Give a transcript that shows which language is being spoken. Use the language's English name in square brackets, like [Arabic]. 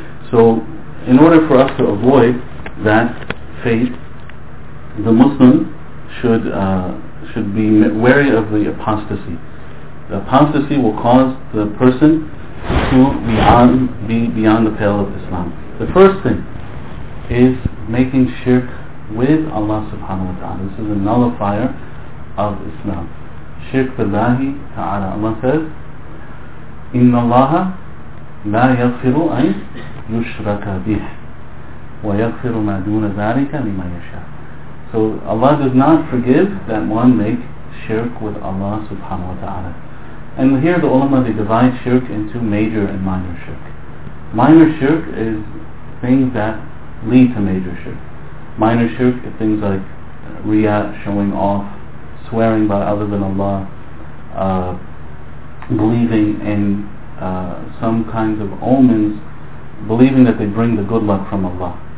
[English] So in order for us to avoid that fate, the Muslim should be wary of the apostasy. The apostasy will cause the person to be beyond the pale of Islam. The first thing is making shirk with Allah subhanahu wa ta'ala. This is a nullifier of Islam. Shirk billahi ta'ala. Allah says, [Arabic] إِنَّ اللَّهَ لَا يَغْفِرُ أَنْ يُشْرَكَ بِهِ وَيَغْفِرُ مَا دُونَ ذَلِكَ لِمَا يَشَاءُ. [English] So Allah does not forgive that one make shirk with Allah subhanahu wa ta'ala. And here the ulama, they divide shirk into major and minor shirk. Minor shirk is things that lead to major shirk. Minor shirk is things like riya, showing off, swearing by other than Allah, believing in some kinds of omens, believing that they bring the good luck from Allah.